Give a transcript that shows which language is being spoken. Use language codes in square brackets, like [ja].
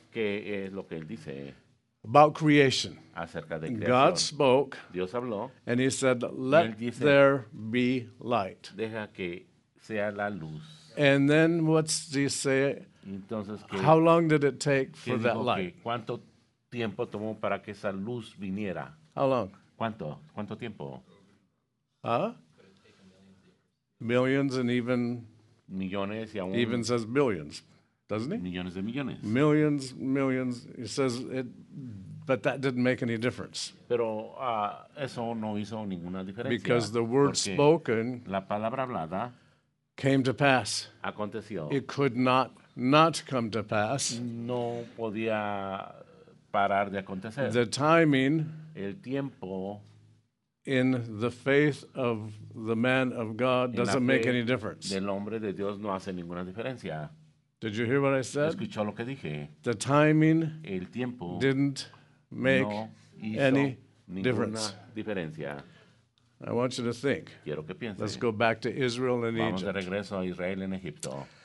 [es] ¿Qué es lo que él dice? [en] About creation. [es] Acerca de creación. [en] God spoke. [es] Dios habló. [en] And he said, let [es] dice, [en] there be light. [es] Deja que sea la luz. [en] And then what's he say? [es] Entonces, [en] how long did it take for that light? [es] Que, ¿cuánto tiempo tomó para que esa luz viniera? [en] How long? [es] ¿Cuánto? ¿Cuánto tiempo? [en] Huh? Millions and even. [es] Millones y aún. [en] Even says billions. Doesn't he? [es] Millones de millones. [en] Millions, millions. He says it, but that didn't make any difference. [es] Pero eso no hizo ninguna diferencia. [en] Because the word [es] porque [en] spoken [es] la palabra hablada [en] came to pass. [es] Aconteció. [en] It could not not come to pass. [es] No podía parar de acontecer. [en] The timing [es] el tiempo [en] in the faith of the man of God doesn't make any difference. [es] Del hombre de Dios no hace ninguna diferencia. [en] Did you hear what I said? [es] Escuchó lo que dije. [en] The timing [es] el tiempo [en] didn't make [es] no hizo [en] any [es] ninguna [en] difference. [es] Diferencia. [en] I want you to think. [es] Quiero que piense. [en] Let's go back to Israel and [es] vamos [en] Egypt. [es] De regreso a Israel en Egipto.